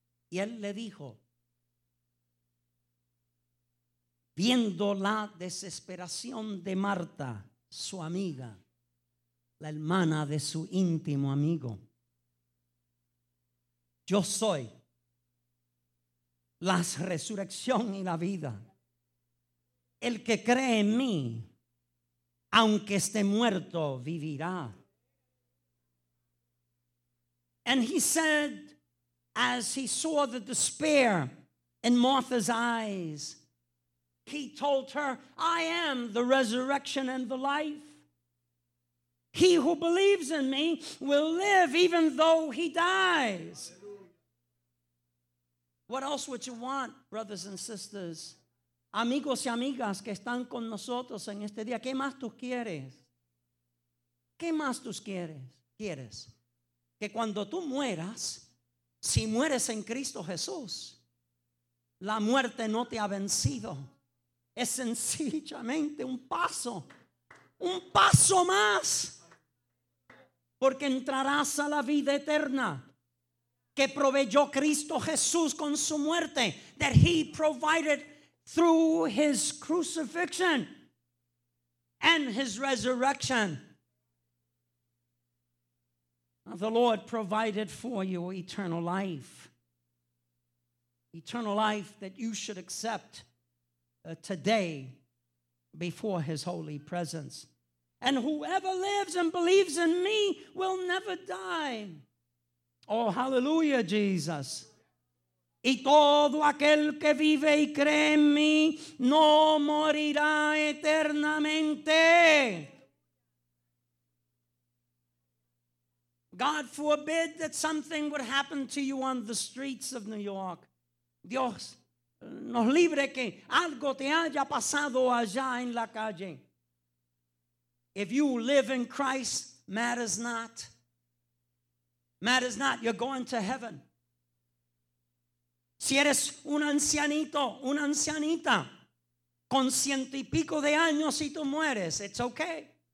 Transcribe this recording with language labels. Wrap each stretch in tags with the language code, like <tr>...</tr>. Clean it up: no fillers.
<es>él le dijo, viendo la desesperación de Marta, su amiga, la hermana de su íntimo amigo, yo soy la resurrección y la vida. El que cree en mí, aunque esté muerto, vivirá.</es> <en>And he said, as he saw the despair in Martha's eyes, he told her, I am the resurrection and the life. He who believes in me will live even though he dies. What else would you want, brothers and sisters?</en> <es>Amigos y amigas que están con nosotros en este día, ¿qué más tú quieres? ¿Qué más tú quieres? ¿Quieres? Que cuando tú mueras, si mueres en Cristo Jesús, la muerte no te ha vencido. Es sencillamente un paso más. Porque entrarás a la vida eterna que proveyó Cristo Jesús con su muerte.</es> <en>That he provided through his crucifixion and his resurrection. The Lord provided for you eternal life. Eternal life that you should accept today before his holy presence. And whoever lives and believes in me will never die. Oh, hallelujah, Jesus.</en> <es>Y todo aquel que vive y cree en mí no morirá eternamente.</es> <en>God forbid that something would happen to you on the streets of New York.</en> <es>Dios, nos libre que algo te haya pasado allá en la calle.</es> <en>If you live in Christ, matters not. Matters not, you're going to heaven.</en> <es>Si eres un ancianito, una ancianita, con ciento y pico de años y tú mueres,</es> <en>it's okay.</en>